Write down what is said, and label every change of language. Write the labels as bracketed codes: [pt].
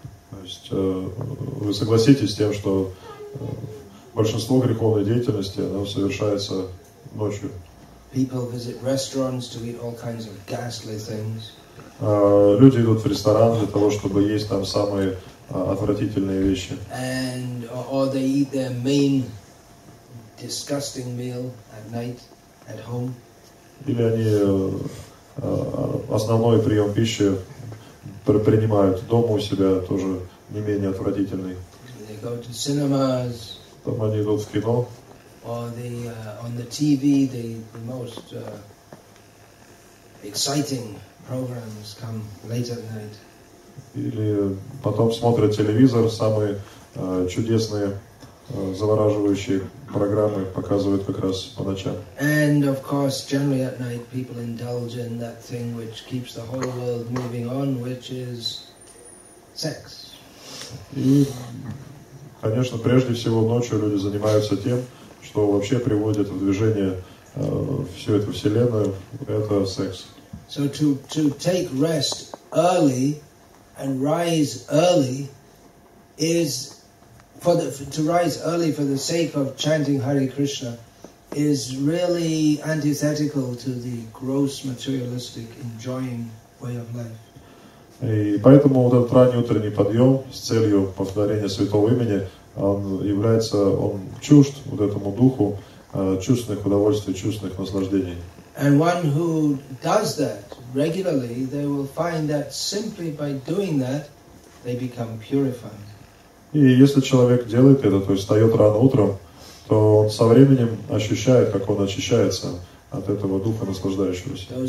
[ru] То есть вы согласитесь с тем, что большинство греховной деятельности оно совершается ночью. [en] People visit restaurants to eat all kinds of ghastly things. [ru] Люди идут в ресторан для того, чтобы есть там самые отвратительные вещи. [en] And or they eat their main disgusting meal at night at home. [ru] Или они основной прием пищи принимают дома у себя, тоже не менее отвратительный. [en] They go to cinemas. [ru] Там они идут в кино. [en] Or they, on the TV, the most exciting programs come late at night. [ru] Или потом смотрят телевизор, самые чудесные, завораживающие программы показывают как раз по ночам. [en] And of course, generally at night, people indulge in that thing which keeps the whole world moving on, which is sex. [ru] И, конечно, прежде всего ночью люди занимаются тем, что вообще приводит в движение всю эту вселенную. Это секс. [en] So to take rest early and rise early is to rise early for the sake of chanting Hare Krishna is really antithetical to the gross materialistic enjoying way of life. [ru] И поэтому вот этот ранний утренний подъем с целью повторения святого имени, он чужд вот этому духу чувственных удовольствий, чувственных наслаждений. [en] And one who does that regularly, they will find that simply by doing that, they become purified. [ru] И если человек делает это, то есть встает рано утром, то он со временем ощущает, как он очищается, от этого духа наслаждающегося.